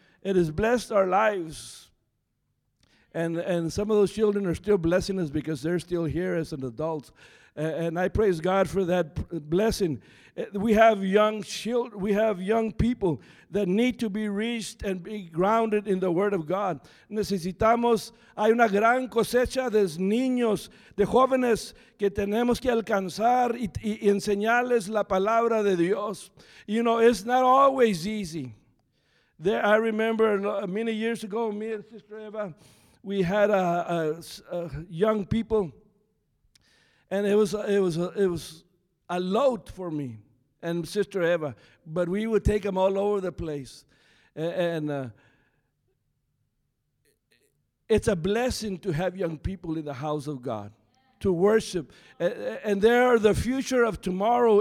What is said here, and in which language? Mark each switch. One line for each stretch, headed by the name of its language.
English: It has blessed our lives. And some of those children are still blessing us because they're still here as an adult. And I praise God for that blessing. We have young children, we have young people that need to be reached and be grounded in the Word of God.
Spanish: Necesitamos, hay una gran cosecha de niños, de jóvenes que tenemos que alcanzar y enseñarles la palabra de Dios.
English: You know, it's not always easy. There, I remember many years ago, me and Sister Eva, we had a young people. And it was a load for me and Sister Eva, but we would take them all over the place, and it's a blessing to have young people in the house of God to worship, and they are the future of tomorrow.